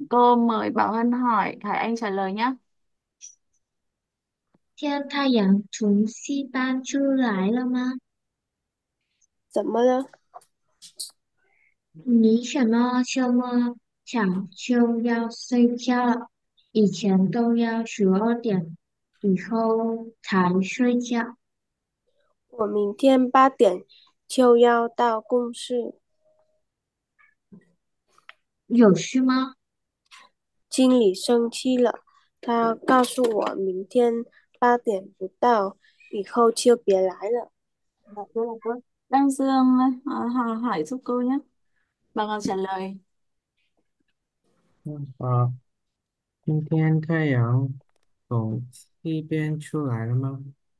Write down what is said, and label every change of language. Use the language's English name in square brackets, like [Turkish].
[Vietnamese] Cô mời Bảo Hân hỏi, Hải Anh trả lời nhé. [Chinese] 天太阳从西边出来了吗？怎么了？你什么想就要睡觉？以前都要12点以后才睡觉。我明天8点就要到公司。有事吗？经理生气了，他告诉我明天8点不到，以后就别来了。 [Vietnamese] Đăng Dương hỏi giúp cô nhé. Bà ngọc trả lời. Hôm nay thái dương từ tây bên xuất hiện rồi không?